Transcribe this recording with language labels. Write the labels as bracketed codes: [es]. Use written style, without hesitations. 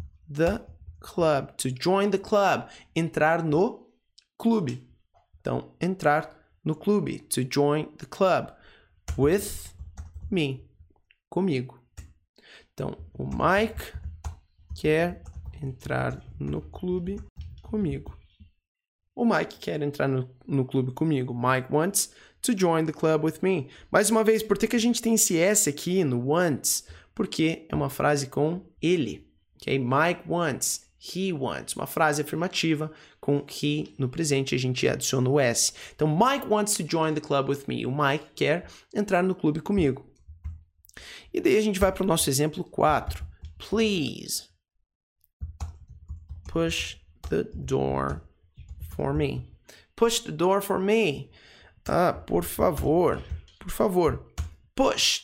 [en] The club. To join the club. [pt] Entrar no clube. Então, entrar no clube. [en] To join the club. With me. [pt] Comigo. Então, o Mike quer entrar no clube comigo. O Mike quer entrar no clube comigo. [en] Mike wants to join the club with me. [pt] Mais uma vez, por que a gente tem esse S aqui no wants? Porque é uma frase com ele. Okay? [en] Mike wants, he wants. [pt] Uma frase afirmativa com he no presente, a gente adiciona o S. [en] Então, Mike wants to join the club with me. [pt] O Mike quer entrar no clube comigo. E daí a gente vai para o nosso exemplo 4. [en] Please push the door for me. Push the door for me. [pt] Ah, por favor, por favor. [en] Push.